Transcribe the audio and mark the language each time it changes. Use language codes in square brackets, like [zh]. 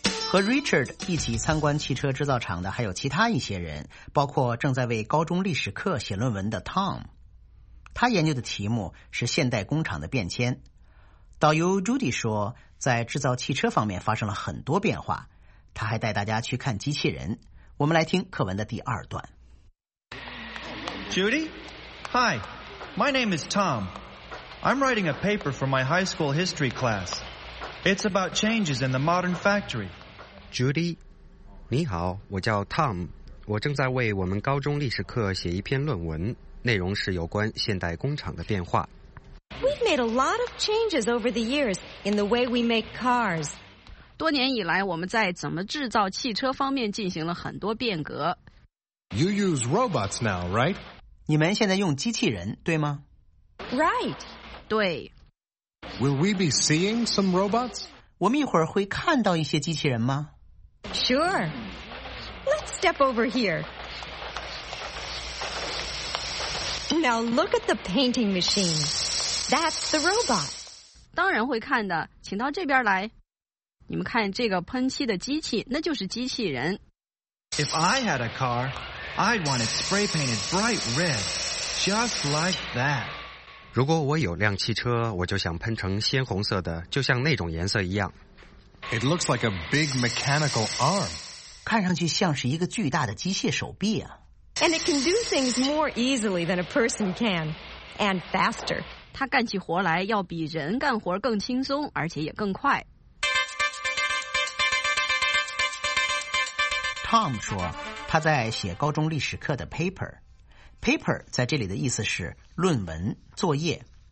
[zh] 和 Richard 一起参观汽车制造厂的还有其他一些人，包括正在为高中历史课写论文的 Tom。他研究的题目是现代工厂的变迁。导游 Judy 说，在制造汽车方面发生了很多变化，他还带大家去看机器人。我们来听课文的第二段。 [en] Judy? Hi, my name is TomI'm writing a paper for my high school history class. It's about changes in the modern factory. [zh] Judy, 你好，我叫 Tom, 我正在为我们高中历史课写一篇论文，内容是有关现代工厂的变化。 [en] We've made a lot of changes over the years in the way we make cars. [zh] 多年以来，我们在怎么制造汽车方面进行了很多变革。 [en] You use robots now, right? [zh] 你们现在用机器人，对吗？ [en] Right. [zh] 对。 [en] Will we be seeing some robots? [zh] 我们一会儿会看到一些机器人吗？ [en] Sure. Let's step over here. Now look at the painting machine. That's the robot. [zh] 当然会看的，请到这边来。你们看这个喷漆的机器，那就是机器人。 [en] If I had a car, I'd want it spray painted bright red, just like that. [zh] 如果我有辆汽车，我就想喷成鲜红色的，就像那种颜色一样。 [en] It looks like a big mechanical arm. [zh] 看上去像是一个巨大的机械手臂啊。 [en] And it can do things more easily than a person can, and faster. [zh] 它干起活来要比人干活更轻松，而且也更快。 Tom 说，他在写高中历史课的 paper。 Paper 在这里的意思是论文、作业。